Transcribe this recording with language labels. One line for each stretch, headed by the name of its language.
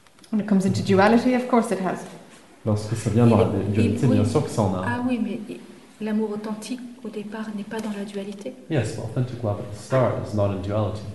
English: When it comes into duality, of course it has.
French: Lorsque ça vient dans la dualité, bien sûr que ça en a. Ah oui, mais l'amour authentique, au départ, n'est pas dans la dualité.
English: Yes, but authentic love at the start is not in duality.